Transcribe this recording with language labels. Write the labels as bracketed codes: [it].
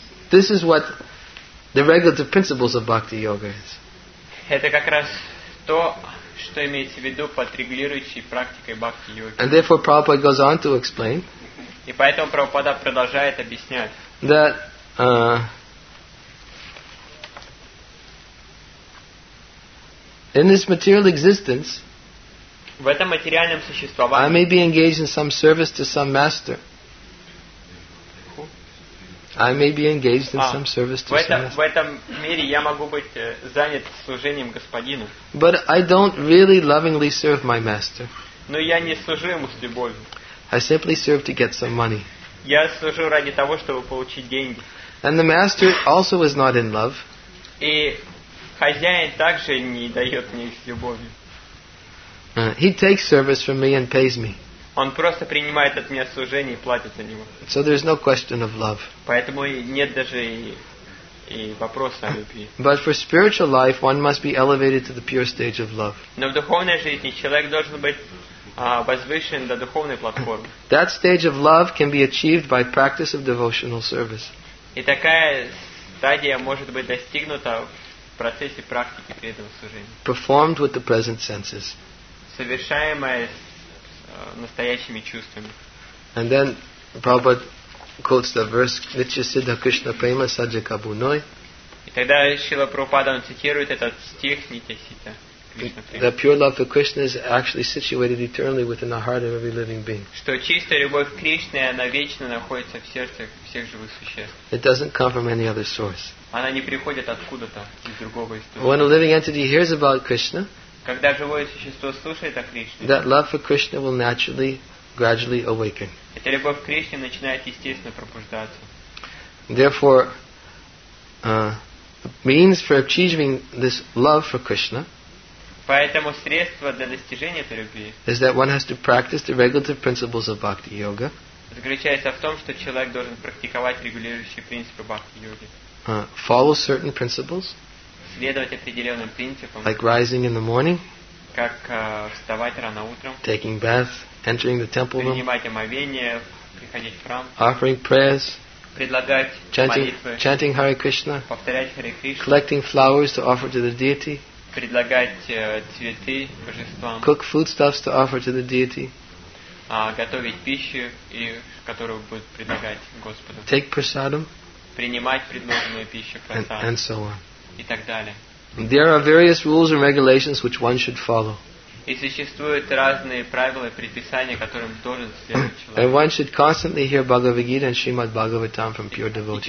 [en] This is what the regulative principles of bhakti yoga is. [ru] Это как раз то, что имеется в виду под регулирующей практикой бхакти йоги. [en] And therefore, Prabhupada goes on to explain. [ru] И поэтому Прабхупада продолжает объяснять. [en] That in this material existence, [ru] в этом материальном существовании, [en] I may be engaged in some service to some master. I may be engaged in some service to someone. [ru] В этом мире я могу быть занят служением Господину. [en] But I don't really lovingly serve my master. [ru] Но я не служу ему с любовью. [en] I simply serve to get some money. [ru] Я служу ради того, чтобы получить деньги. [en] And the master also is not in love. [ru] И хозяин также не дает мне с любовью. [en] He takes service from me and pays me. [ru] Он просто принимает от меня служение и платит за него. [en] So there's no question of love. [ru] Поэтому нет даже и вопроса о любви. [en] But for spiritual life, one must be elevated to the pure stage of love. [ru] Но в духовной жизни человек должен быть возвышен до духовной платформы. [en] That stage of love can be achieved by practice of devotional service. [ru] И такая стадия может быть достигнута в процессе практики преданного служения. [en] Performed with the present senses. [ru] Совершаемое настоящими чувствами. [en] And then Prabhupada quotes the verse Nitya Siddha Krishna Prema Sajja Kabunoi. [ru] И тогда Шрила Прабхупада он цитирует этот стих Nitya Siddha Krishna [en] Prema. The pure love for Krishna is actually situated eternally within the heart of every living being. [ru] Что чистая любовь к Кришне, она вечно находится в сердце всех живых существ. [en] It doesn't come from any other source. [ru] Она не приходит откуда-то, из другого источника. [en] When a living entity hears about Krishna, [ru] когда живое существо слушает о Кришне, [en] that love for Krishna will naturally, gradually awaken. [ru] Эта любовь к Кришне начинает естественно пробуждаться. [en] Therefore, means for achieving this love for Krishna. [ru] Поэтому средство для достижения этой любви. [en] Is that one has to practice the regulative principles of Bhakti Yoga. [ru] Заключается в том, что человек должен практиковать регулирующие принципы Бхакти Йоги. [en] Follow certain principles. [ru] Следовать определенным принципам. [en] Like rising in the morning. [ru] Как вставать рано утром. [en] Taking bath, entering the temple room. [ru] Принимать омовение, приходить в храм. [en] Offering prayers. [ru] Предлагать [en] chanting, [ru] молитвы. [en] Chanting Hare Krishna. [ru] Повторять Hare Krishna. [en] Collecting flowers to offer to the deity. [ru] Предлагать цветы божествам. [en] Cook foodstuffs to offer to the deity. [ru] Готовить пищу, и которую будет предлагать Господу. [en] Take prasadam. [ru] Принимать предложенную пищу, [en] prasadam. And so on. There are various rules and regulations which one should follow. [ru] И существуют разные правила и предписания, которым должен следовать человек. [en] And one should constantly hear Bhagavad Gita and Srimad Bhagavatam from pure devotees.